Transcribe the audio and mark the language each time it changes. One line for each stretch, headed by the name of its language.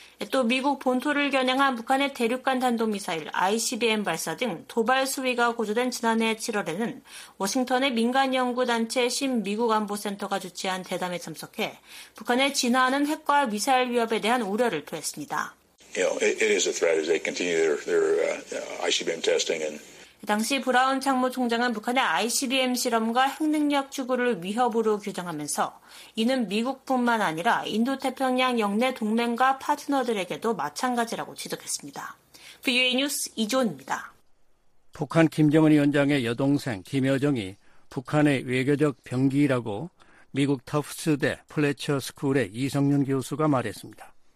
Korean: 또 미국 본토를 겨냥한 북한의 대륙간 탄도미사일 ICBM 발사 등 도발 수위가 고조된 지난해 7월에는 워싱턴의 민간연구단체 신미국안보센터가 주최한 대담에 참석해 북한의 진화하는 핵과 미사일 위협에 대한 우려를 표했습니다.
English: You know, it is a threat as they continue their ICBM testing and
Korean: 당시 브라운 참모총장은 북한의 ICBM 실험과 핵능력 추구를 위협으로 규정하면서 이는 미국뿐만 아니라 인도태평양 영내 동맹과 파트너들에게도 마찬가지라고 지적했습니다. VOA 뉴스 이조은입니다. 북한 김정은 위원장의 여동생 김여정이 북한의 외교적 병기라고 미국 터프스대 플래처 스쿨의 이성윤 교수가 말했습니다.